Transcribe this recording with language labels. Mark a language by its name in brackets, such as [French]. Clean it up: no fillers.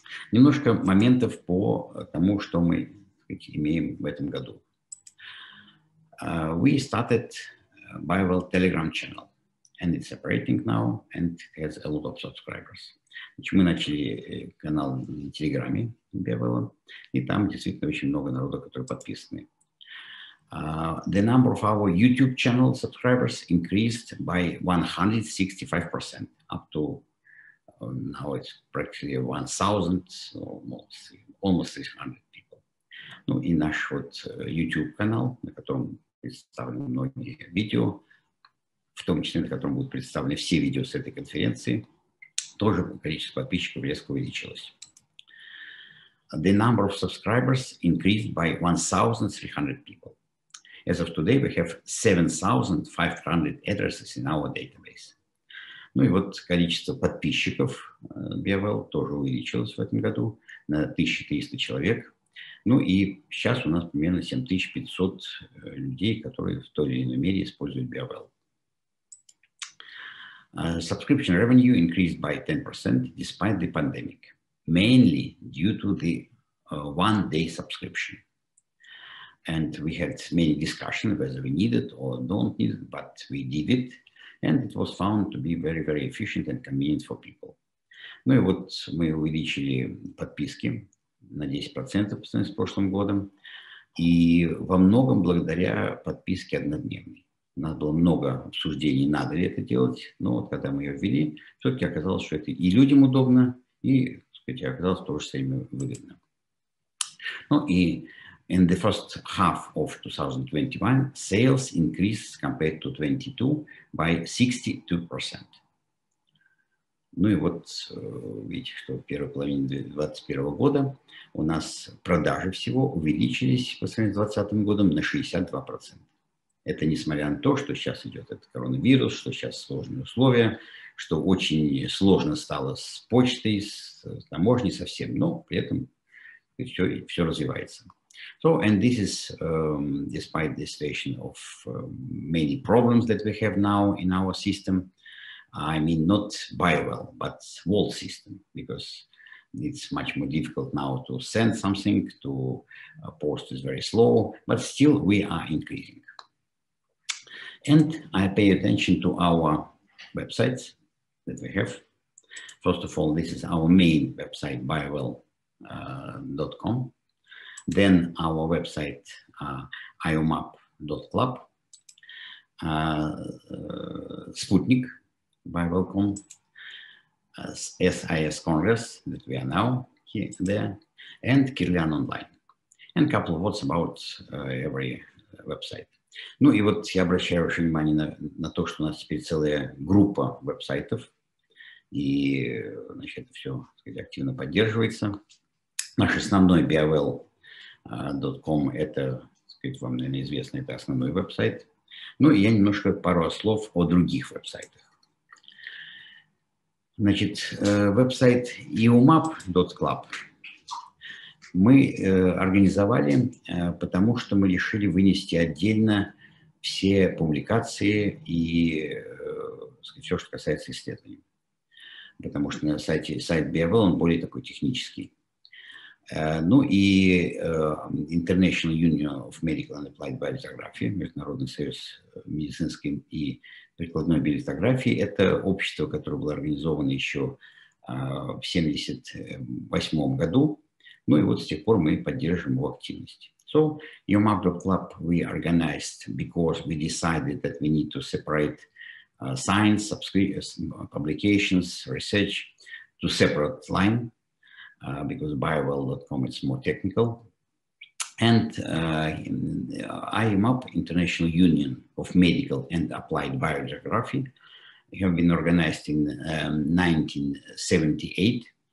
[Russian] Немножко моментов по тому, что мы имеем в этом году. [English] We started bio-well Telegram channel, and it's operating now, and has a lot of subscribers. [Russian] Значит, мы начали канал на Телеграме Бевелла, и там действительно очень много народу, которые подписаны. [English] The number of our YouTube channel subscribers increased by 165%, up to now it's practically 1,000, almost 300 people. [Russian] Ну и наш вот YouTube канал, на котором представлены многие видео, в том числе на котором будут представлены все видео с этой конференции, тоже количество подписчиков резко увеличилось. [English] The number of subscribers increased by 1,300 people. As of today, we have 7,500 addresses in our database. [Russian] Ну и вот количество подписчиков BeaWell тоже увеличилось в этом году на 1300 человек. Ну и сейчас у нас примерно 7500 людей, которые в той или иной мере используют BeaWell. [English] Subscription revenue increased by 10% despite the pandemic, mainly due to the one-day subscription. And we had many discussions whether we need it or don't need it, but we did it, and it was found to be very, very efficient and convenient for people. [Russian] Ну и вот мы увеличили подписки на 10% по сравнению с прошлым годом, и во многом благодаря подписке однодневной. У нас было много обсуждений, надо ли это делать, но вот когда мы ее ввели, все-таки оказалось, что это и людям удобно, и, так сказать, оказалось тоже самим выгодно. Ну и [English] in the first half of 2021, sales increased compared to 22 by 62%. [Russian] Ну и вот видите, что в первой половине 2021 года у нас продажи всего увеличились по сравнению с 2020 годом на 62%. Это несмотря на то, что сейчас идет этот коронавирус, что сейчас сложные условия, что очень сложно стало с почтой, с таможней совсем, но при этом все развивается. [English] So, and this is despite the situation of many problems that we have now in our system. I mean, not bio-well, but wall system, because it's much more difficult now to send something, to post is very slow, but still we are increasing. And I pay attention to our websites that we have. First of all, this is our main website, bio-well.com. Then our website, iomap.club. Sputnik, bio-well.com. SIS Congress, that we are now here and there. And Kirlian Online. And a couple of words about every website. [Russian] Ну и вот я обращаю ваше внимание на то, что у нас теперь целая группа веб-сайтов, и, значит, это все, так сказать, активно поддерживается. Наш основной bio-well.com – это, так сказать, вам, наверное, известно, это основной веб-сайт. Ну и я немножко пару слов о других веб-сайтах. Значит, веб-сайт iomap.club мы организовали, потому что мы решили вынести отдельно все публикации и все, что касается исследований. Потому что на сайт BeaWell, он более такой технический. Ну и International Union of Medical and Applied Biolithography, Международный союз медицинской и прикладной биолитографии, это общество, которое было организовано еще в 1978 году. Ну и вот с тех пор мы поддерживаем его активность. [English] So, iomap.club we organized because we decided that we need to separate science, publications, research to separate line. because bioworld.com is more technical. And IMAP, International Union of Medical and Applied Biogeography, have been organized in 1978.